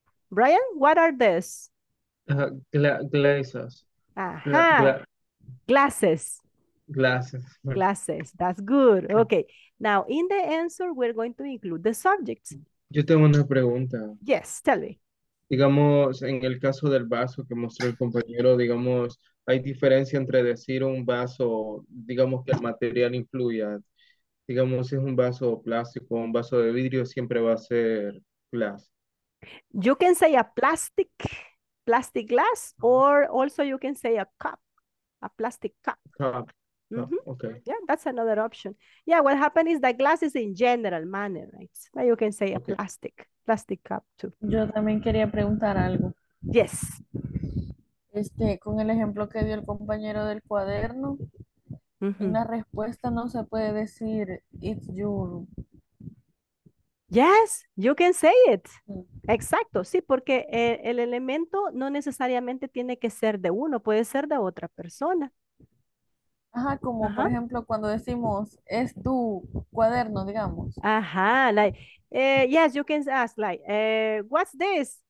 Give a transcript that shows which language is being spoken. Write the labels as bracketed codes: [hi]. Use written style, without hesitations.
[en] Brian, what are this? Glasses. Aha. Glasses. Glasses. Glasses. That's good. Okay. Now, in the answer, we're going to include the subjects. [es] Yo tengo una pregunta. [en] Yes, tell me. [es] Digamos, en el caso del vaso que mostró el compañero, digamos, hay diferencia entre decir un vaso, digamos que el material influya. Digamos, si es un vaso plástico o un vaso de vidrio, siempre va a ser glass. [en] You can say a plastic glass, or also you can say a cup, a plastic cup. Cup. Mm-hmm. Okay. Yeah, that's another option. Yeah, what happened is that glass is in general manner, right? Now you can say a plastic cup too. [es] Yo también quería preguntar algo. [en] Yes. [es] Con el ejemplo que dio el compañero del cuaderno, mm-hmm. una respuesta no se puede decir, it's your... [en] Yes, you can say it. [es] Exacto, sí, porque el elemento no necesariamente tiene que ser de uno, puede ser de otra persona. Ajá, como ajá. Por ejemplo cuando decimos, es tu cuaderno, digamos. [en] Ajá, like, yes, you can ask, like, what's this?